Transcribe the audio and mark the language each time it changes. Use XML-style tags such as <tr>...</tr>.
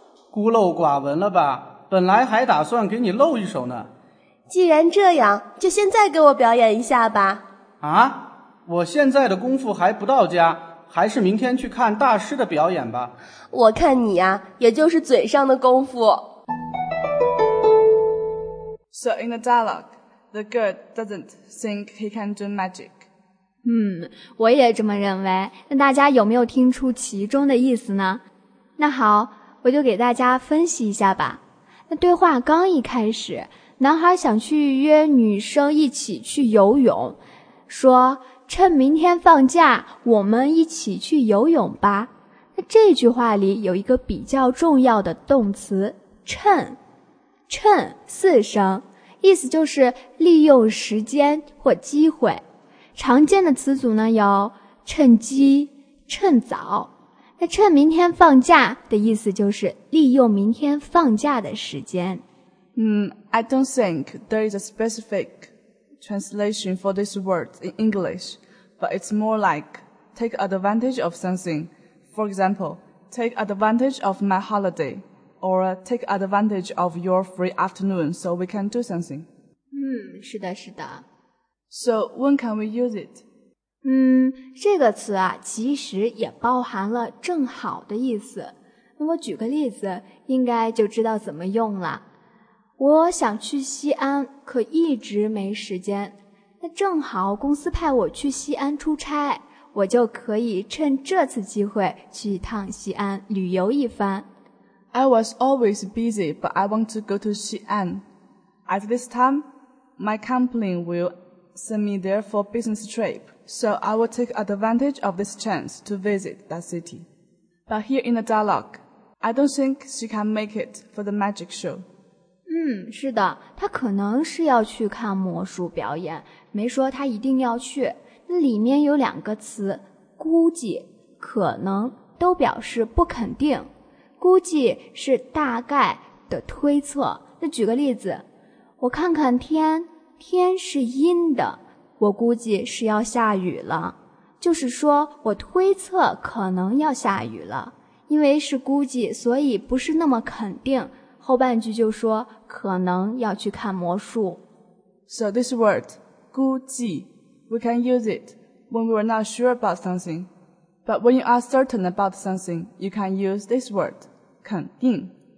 <zh>孤陋寡闻了吧，本来还打算给你露一手呢。既然这样，就现在给我表演一下吧。啊，我现在的功夫还不到家，还是明天去看大师的表演吧。我看你呀，也就是嘴上的功夫。</zh> <en>So in the dialogue, the girl doesn't think he can do magic.</en> <zh>我也这么认为。那大家有没有听出其中的意思呢？那好，我就给大家分析一下吧。那对话刚一开始，男孩想去约女生一起去游泳，说趁明天放假，我们一起去游泳吧。那这句话里有一个比较重要的动词，趁。趁四声，意思就是利用时间或机会。常见的词组呢有趁机、趁早。那趁明天放假的意思就是利用明天放假的时间。</zh> <en>I don't think there is a specific translation for this word in English, but it's more like take advantage of something. For example, take advantage of my holiday, or take advantage of your free afternoon so we can do something.</en> <zh>是的是的。</zh> <en>So when can we use it?</en> <zh>这个词啊，其实也包含了正好的意思。那我举个例子，应该就知道怎么用了。我想去西安，可一直没时间。那正好公司派我去西安出差，我就可以趁这次机会去一趟西安旅游一番。</zh> <en>I was always busy, but I want to go to Xi'an. At this time, my company will send me there for business trip, so I will take advantage of this chance to visit that city. But here in the dialogue, I don't think she can make it for the magic show.</en> <zh>是的，他可能是要去看魔术表演，没说他一定要去。那里面有两个词，估计、可能，都表示不肯定。估计是大概的推测。那举个例子，我看看天，天是阴的，我估计是要下雨了。就是说我推测可能要下雨了，因为是估计，所以不是那么肯定。后半句就说可能要去看魔术。</zh> <en>So this word 估计 we can use it when we are not sure about something, but when you are certain about something you can use this word 肯定。</en>